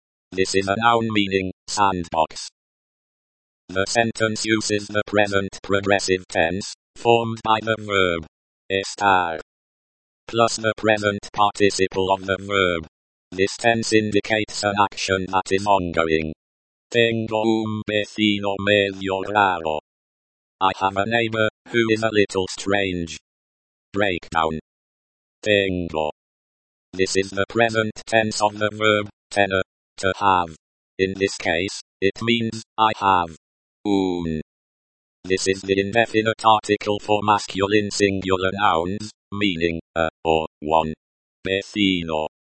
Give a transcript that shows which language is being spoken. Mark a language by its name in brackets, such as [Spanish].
[English] This is a noun meaning, sandbox. The sentence uses the present progressive tense, formed by the verb, estar, plus the present participle of the verb. This tense indicates an action that is ongoing. [Spanish] Tengo un vecino medio raro. [English] I have a neighbor, who is a little strange. Breakdown. Tengo. This is the present tense of the verb, tener. To have. In this case, it means, I have. Un. This is the indefinite article for masculine singular nouns, meaning, a, or, one. Vecino.